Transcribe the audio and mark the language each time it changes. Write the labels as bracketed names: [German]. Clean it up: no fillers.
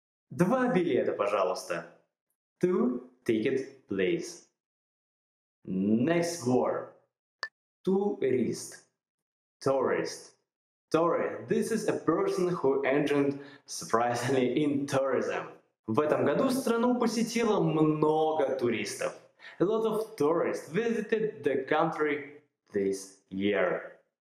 [Russian] Два билета, пожалуйста. [English] Two ticket, please. Next word, tourist, tourist. Tourist, this is a person who entered surprisingly in tourism. [Russian] В этом году страну посетило много туристов. [English] A lot of tourists visited the country this year.